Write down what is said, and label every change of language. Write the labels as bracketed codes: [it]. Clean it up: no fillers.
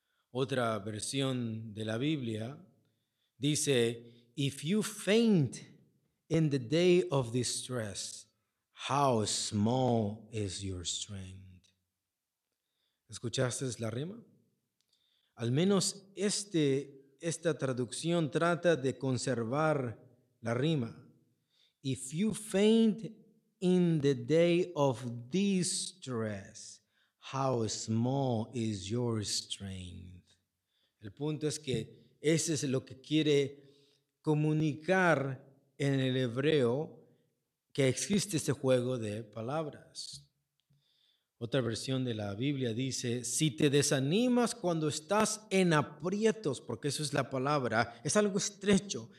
[es] Otra versión de la Biblia dice: [en] if you faint in the day of distress, how small is your strength. [es] ¿Escuchaste la rima? Al menos esta traducción trata de conservar la rima. [en] If you faint in the day of distress, how small is your strength. [es] El punto es que ese es lo que quiere comunicar en el hebreo, que existe este juego de palabras. Otra versión de la Biblia dice: si te desanimas cuando estás en aprietos, porque eso es la palabra, es algo estrecho.